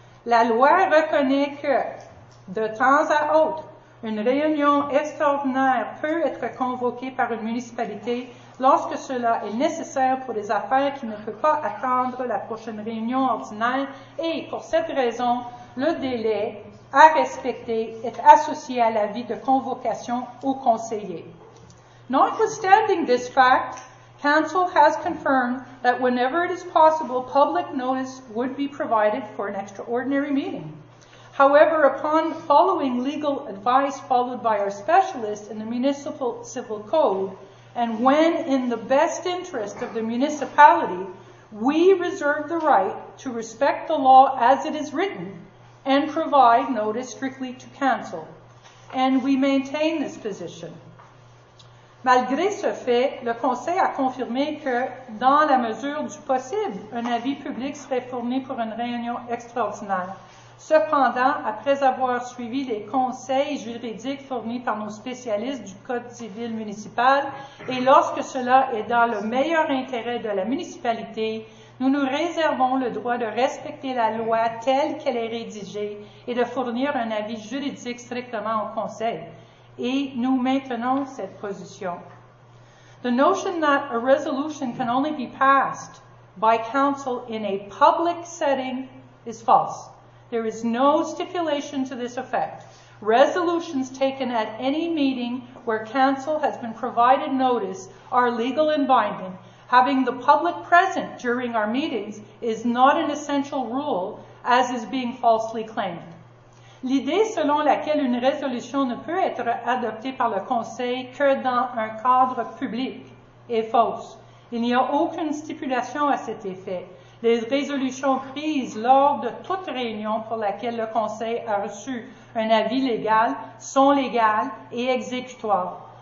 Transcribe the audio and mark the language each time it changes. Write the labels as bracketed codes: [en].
[fr] La loi reconnaît que, de temps à autre, une réunion extraordinaire peut être convoquée par une municipalité lorsque cela est nécessaire pour des affaires qui ne peuvent pas attendre la prochaine réunion ordinaire et, pour cette raison, le délai à respecter est associé à l'avis de convocation aux conseillers. [en] Notwithstanding this fact, Council has confirmed that whenever it is possible, public notice would be provided for an extraordinary meeting. However, upon following legal advice followed by our specialist in the Municipal Civil Code, and when in the best interest of the municipality, we reserve the right to respect the law as it is written and provide notice strictly to council. And we maintain this position. [fr] Malgré ce fait, le Conseil a confirmé que, dans la mesure du possible, un avis public serait fourni pour une réunion extraordinaire. Cependant, après avoir suivi les conseils juridiques fournis par nos spécialistes du Code civil municipal, et lorsque cela est dans le meilleur intérêt de la municipalité, nous nous réservons le droit de respecter la loi telle qu'elle est rédigée et de fournir un avis juridique strictement au Conseil. Et nous maintenons cette position. [en] The notion that a resolution can only be passed by Council in a public setting is false. There is no stipulation to this effect. Resolutions taken at any meeting where Council has been provided notice are legal and binding. Having the public present during our meetings is not an essential rule, as is being falsely claimed. [fr] L'idée selon laquelle une résolution ne peut être adoptée par le Conseil que dans un cadre public est fausse. Il n'y a aucune stipulation à cet effet. Les résolutions prises lors de toute réunion pour laquelle le Conseil a reçu un avis légal sont légales et exécutoires.